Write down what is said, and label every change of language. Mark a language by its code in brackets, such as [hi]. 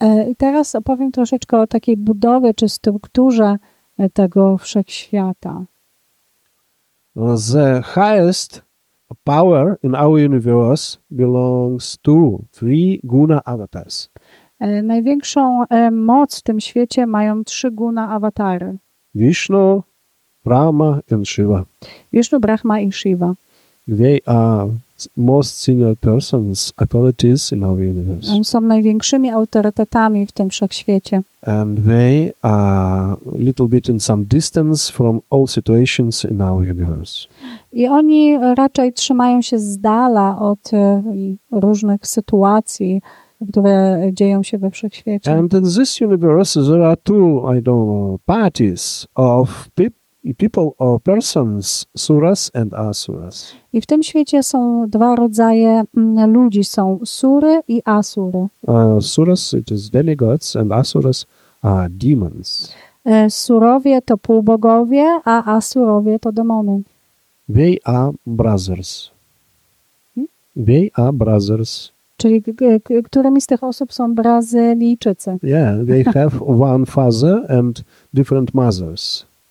[pl] I teraz opowiem troszeczkę o takiej budowie czy strukturze tego wszechświata. [en] The highest power in our universe belongs to three guna avatars. [pl] Największą moc w tym świecie mają trzy guna awatary. [en] Vishnu, Brahma and Shiva. Vishnu, Brahma and Shiva. They are most senior persons, authorities in our universe. [pl] Są największymi autorytetami w tym wszechświecie. [en] And they are a little bit in some distance from all situations in our universe. [pl] I oni raczej trzymają się z dala od różnych sytuacji, które dzieją się we wszechświecie. [en] And in this universe there are two, I don't know, parties of people or persons, suras and asuras. [pl] I w tym świecie są dwa rodzaje ludzi, są sury i asury. [en] Suras, it is demigods, and asuras are demons. [pl] Surowie to półbogowie, a asurowie to demony. [en] They are brothers. They are brothers. [pl] Czyli którymi z tych osób są Brazylijczycy? [en] Yeah, they have one father and different mothers.